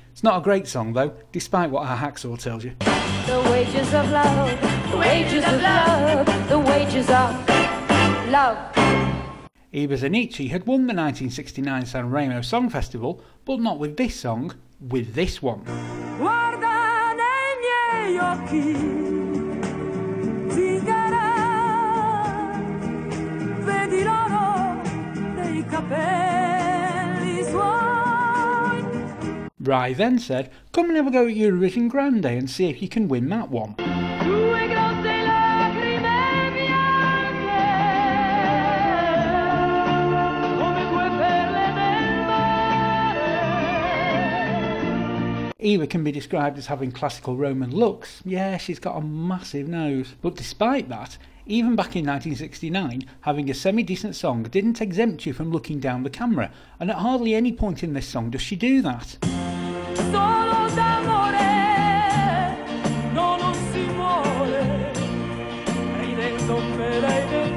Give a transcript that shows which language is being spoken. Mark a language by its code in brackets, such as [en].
[en] It's not a great song though, despite what our hacksaw tells you. The wages of love, the wages of love, the wages of love. Iba Zanici had won the 1969 San Remo Song Festival, but not with this song, with this one. [it] Guarda nei miei occhi, zingara, vedi l'oro dei capelli suoi. [en] Rai then said, come and have a go at Eurovision Grande and see if you can win that one. Eva can be described as having classical Roman looks. Yeah, she's got a massive nose. But despite that, even back in 1969, having a semi-decent song didn't exempt you from looking down the camera, and at hardly any point in this song does she do that. [it] Solo d'amore, no, non si muore, ridendo per lei.